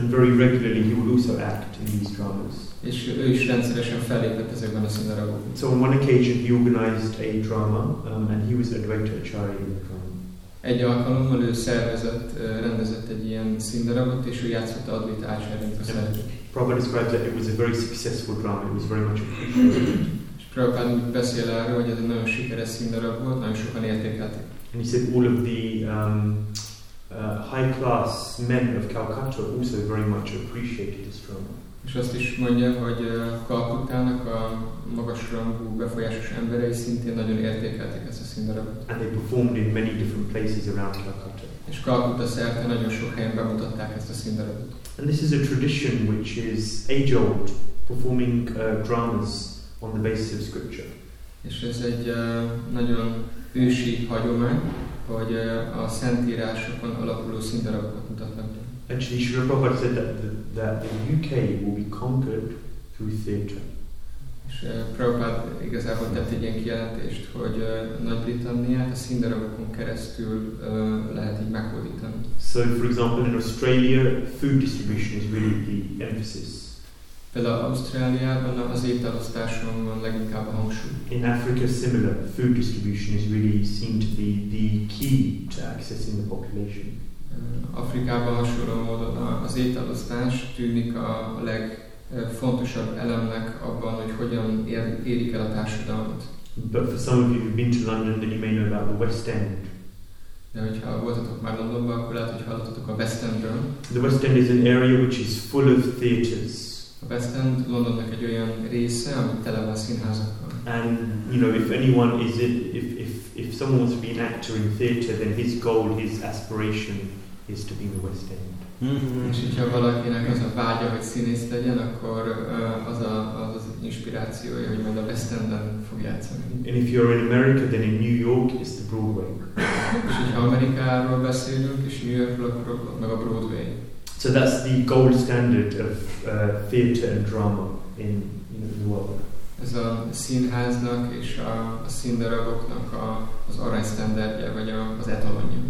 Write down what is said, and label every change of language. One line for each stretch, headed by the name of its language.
English: And very regularly he would also act in these dramas.
Hungarian: És ő is rendszeresen fellépett ezekben a színdarabokban.
English: So on one occasion he organized a drama, and he was Advaita Acharya in the drama.
Hungarian: Egy alkalommal ő szervezett, rendezett egy ilyen színdarabot, és ő játszotta Advaita Acharyát a szerepet.
English: Prabhupada described that it was a very successful drama. It was very much appreciated. And he said all of the high-class men of Calcutta also very much appreciated this drama.
Hungarian: És azt is mondja, hogy Kalkuttának a magasrangú befolyásos emberei szintén nagyon értékelték ezt a színdarabot.
English: And they performed in many different places around Calcutta.
Hungarian: És Kalkutta szerte nagyon sok helyen bemutatták ezt a színdarabot.
English: And this is a tradition which is age-old, performing dramas on the basis of scripture.
Hungarian: És ez egy nagyon ősi hagyomány, hogy a szentírásokon alapuló színdarabokat mutatnak.
English: Actually, Srila Prabhupada said that the UK will be conquered through theatre.
Hungarian: És Prabhupada igazából tett egy ilyen kijelentést, hogy Nagy-Britanniát a színdarabokon keresztül lehet így meghódítani.
English: So, for example, in Australia, food distribution is really the emphasis.
Hungarian: Például Ausztráliában az ételosztáson van leginkább a hangsúly.
English: In Africa, similar. Food distribution is really seen to be the key to accessing the population.
Hungarian: Afrikában hasonló módon az ételosztás tűnik a legfontosabb elemnek abban, hogy hogyan érik el a társadalmat.
English: But for some of you who've been to London, then you may know about the West End.
Hungarian: De hogyha voltatok már Londonban, akkor lehet, hogy hallottatok a West Endről.
English: The West End is an area which is full of theatres.
Hungarian: A West End Londonnak egy olyan része, ami tele van színházakkal.
English: And you know, if anyone is it, if someone wants to be an actor in theatre, then his goal, his aspiration is to be in the West End.
Hungarian: És hogyha valakinek az a vágya, hogy színész legyen, akkor az inspirációja, hogy majd a West End-en fog játszani.
English: And if you're in America, then in New York is the Broadway.
Hungarian: És hogyha Amerikáról beszélünk, és New York, akkor meg a Broadway.
English: So that's the gold standard of theatre and drama in the world.
Hungarian: Ez a színháznak és a színdaraboknak az aranysztenderdje, vagy az etalonja.